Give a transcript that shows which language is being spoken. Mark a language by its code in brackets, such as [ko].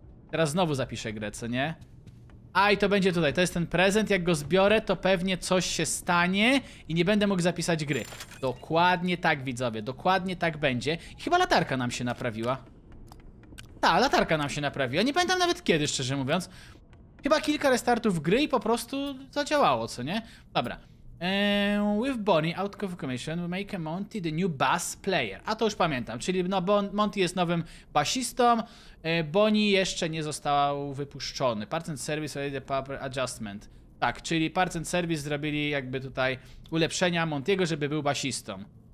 [pl] Teraz znowu zapiszę grę, co nie? A i to będzie tutaj. To jest ten prezent, jak go zbiorę, to pewnie coś się stanie i nie będę mógł zapisać gry. Dokładnie tak, widzowie, dokładnie tak będzie. I chyba latarka nam się naprawiła. Ta, latarka nam się naprawiła. Nie pamiętam nawet kiedy, szczerze mówiąc. chyba kilka restartów gry i po prostu zadziałało, co nie? Dobra. [en] With Bonnie out of commission, we make Monty the new bass player. [pl] A to już pamiętam, czyli no, Monty jest nowym basistą, Bonnie jeszcze nie został wypuszczony. [en] Parts and service ready the proper adjustment. [pl] Tak, czyli parts and service zrobili jakby tutaj ulepszenia Montiego, żeby był basistą.